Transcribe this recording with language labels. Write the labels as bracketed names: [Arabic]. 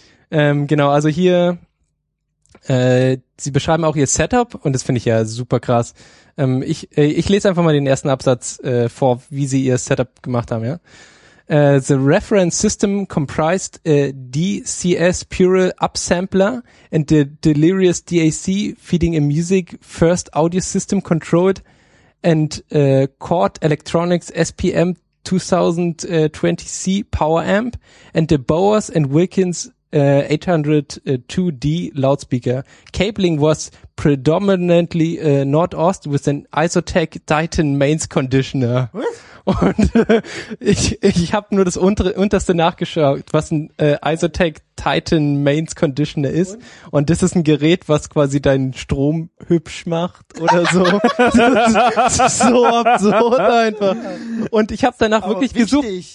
[German] Genau, also hier, sie beschreiben auch ihr Setup, und das finde ich ja super krass. Ich lese einfach mal den ersten Absatz vor, wie sie ihr Setup gemacht haben, ja. [English] The reference system comprised a DCS Pural upsampler and the Delirious DAC feeding a music first audio system controlled and Cord Electronics SPM 2020C power amp and the Bowers and Wilkins 802D loudspeaker. Cabling was predominantly Nord-Ost with an Isotec Titan mains conditioner. What? [German] Und ich habe nur das unterste nachgeschaut, was ein Isotec Titan Mains Conditioner ist. Und das ist ein Gerät, was quasi deinen Strom hübsch macht oder so. So absurd einfach. Und ich habe danach wirklich gesucht.